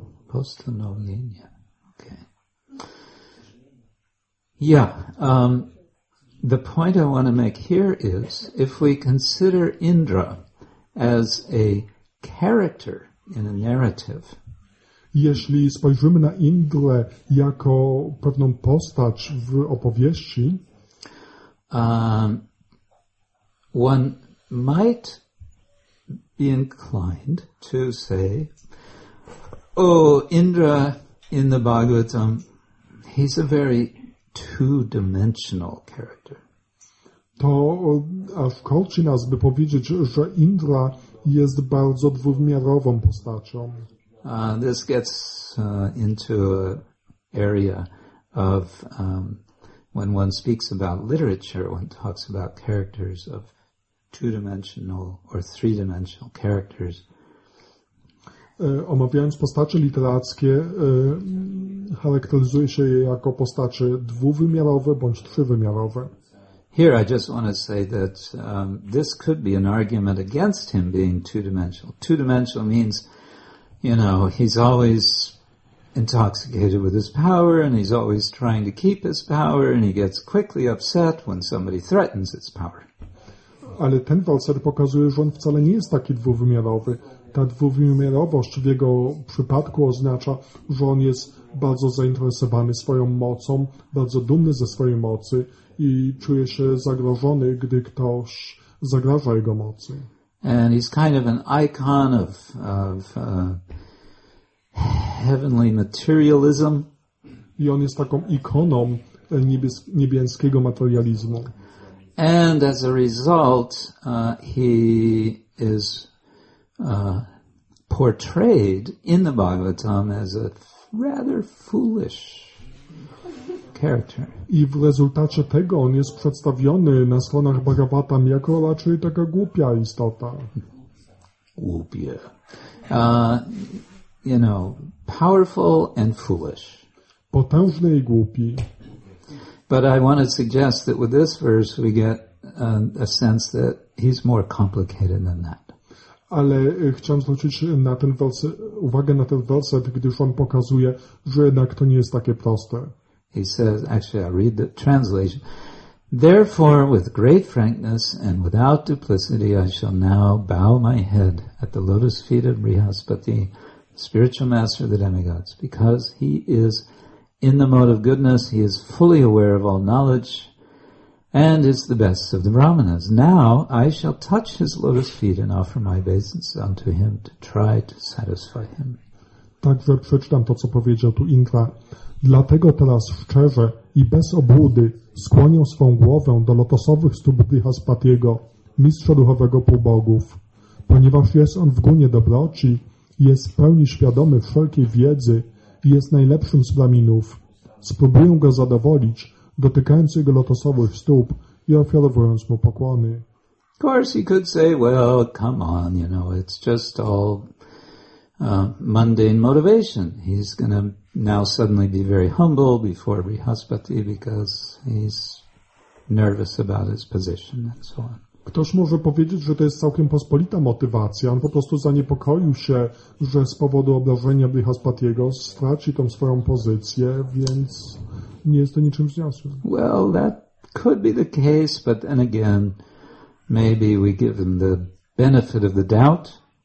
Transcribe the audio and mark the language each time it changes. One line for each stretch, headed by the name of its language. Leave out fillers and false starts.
Polish: Postanowienie.
English: Yeah, the point I want to make here is, if we consider Indra as a character in a narrative,
Polish: jeśli spojrzymy na Indrę jako pewną postać w opowieści,
English: one might be inclined to say, oh, Indra in the Bhagavatam, he's a very two-dimensional character.
Polish: To aż kolczy nas, by powiedzieć, że Indra jest bardzo dwuwymiarową postacią.
English: This gets into an area of when one speaks about literature, one talks about characters of two-dimensional or three-dimensional characters.
Polish: Omawiając postacie literackie, charakteryzuje się je jako postacie dwuwymiarowe bądź trzywymiarowe.
English: Here I just want to say that this could be an argument against him being two-dimensional. Two-dimensional means, you know, he's always intoxicated with his power and he's always trying to keep his power and he gets quickly upset when somebody threatens his power.
Polish: Ale ten werset pokazuje, że on wcale nie jest taki dwuwymiarowy. Ta dwuwymiarowość w jego przypadku oznacza, że on jest bardzo zainteresowany swoją mocą, bardzo dumny ze swojej mocy i czuje się zagrożony, gdy ktoś zagraża jego mocy.
English: And he's kind of an icon of heavenly materialism.
Polish: I on jest taką ikoną niebieskiego materializmu.
English: And as a result, he is portrayed in the Bhagavatam as a rather foolish character.
Polish: I w rezultacie tego on jest przedstawiony na stronach Bhagavatam jako raczej taka głupia istota. Głupia.
English: You know, powerful and foolish.
Polish: Potężny i głupi.
English: But I want to suggest that with this verse we get a sense that he's more complicated than that.
Polish: Ale chciałem zwrócić na ten werset, uwagę na ten werset, gdyż on pokazuje, że jednak to nie jest takie proste.
English: He says, actually I'll read the translation. Therefore, with great frankness and without duplicity, I shall now bow my head at the lotus feet of Brihaspati, spiritual master of the demigods, because he is in the mode of goodness, he is fully aware of all knowledge, and is the best of the Brahmanas. Now I shall touch his lotus feet and offer my obeisance unto him to try to satisfy him.
Polish: Także przeczytam to, co powiedział tu Indra. Dlatego teraz szczerze i bez obłudy skłonię swą głowę do lotosowych stóp Brihaspatiego, mistrza duchowego półbogów. Ponieważ jest on w gunie dobroci, jest w pełni świadomy wszelkiej wiedzy i jest najlepszym z braminów. Spróbuję go zadowolić, dotykając jego lotosowych stóp i ofiarowując mu pokłony.
English: Of course he could say, well, come on, you know, it's just all mundane motivation. He's gonna now suddenly be very humble before Brihaspati because he's nervous about his position and so on.
Polish: Ktoś może powiedzieć, że to jest całkiem pospolita motywacja. On po prostu zaniepokoił się, że z powodu obrażenia Brihaspatiego straci tą swoją pozycję, więc nie jest to niczym wzniosłym.
English: Well, that could be the case, but then again, maybe we give him the benefit of the doubt.